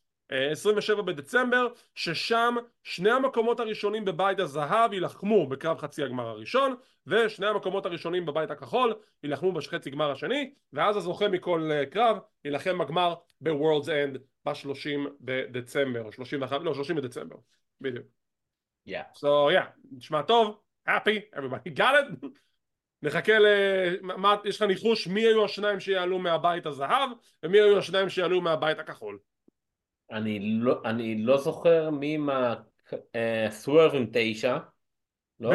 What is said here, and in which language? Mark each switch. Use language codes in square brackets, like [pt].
[he] 27 בדצמבר, ששם שני המקומות הראשונים בבית הזהב ילחמו בקרב חצי הגמר הראשון, ושני המקומות הראשונים בבית הכחול ילחמו בחצי הגמר השני, ואז הזוכה מכל קרב ילחם בגמר ב-World's End ב-30 בדצמבר, 31, לא, 30 בדצמבר, בדיוק. [en] Yeah. So yeah, [he] נשמע טוב, [en] happy, everybody got it. [he] נחכה למה, יש לך ניחוש מי היו השניים שיעלו מהבית הזהב, ומי היו השניים שיעלו מהבית הכחול. אני לא זוכר מי מהסוור עם תשע, לא?